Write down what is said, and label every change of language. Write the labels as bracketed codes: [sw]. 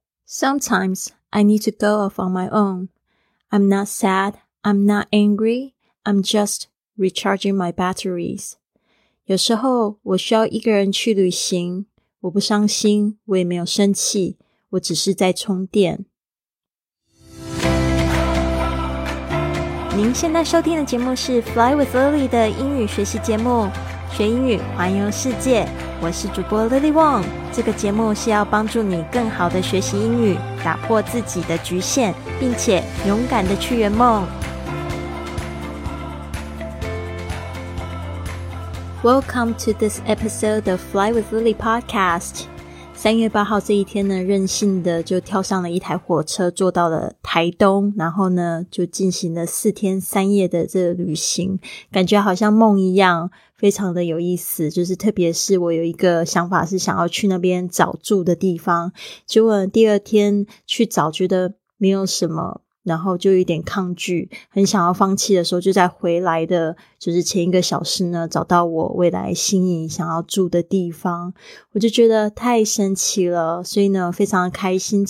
[en] Sometimes I need to go off on my own. I'm not sad, I'm not angry, I'm just recharging my batteries. [zh] 有时候我需要一个人去旅行，我不伤心，我也没有生气，我只是在充电。您现在收听的节目是 Fly with Lily 的英语学习节目，学英语，环游世界。我是主播 Lily Wong， 这个节目是要帮助你更好的学习英语，打破自己的局限，并且勇敢的去圆梦。 [en] Welcome to this episode of Fly with Lily Podcast。 [zh] 3月8号这一天呢，任性的就跳上了一台火车，坐到了台东，然后呢就进行了4天3夜的这个旅行，感觉好像梦一样，非常的有意思。就是特别是我有一个想法是想要去那边找住的地方，结果第二天去找觉得没有什么，然后就有点抗拒，很想要放弃的时候，就在回来的就是前一个小时呢，找到我未来心仪想要住的地方，我就觉得太神奇了，所以呢非常的开心。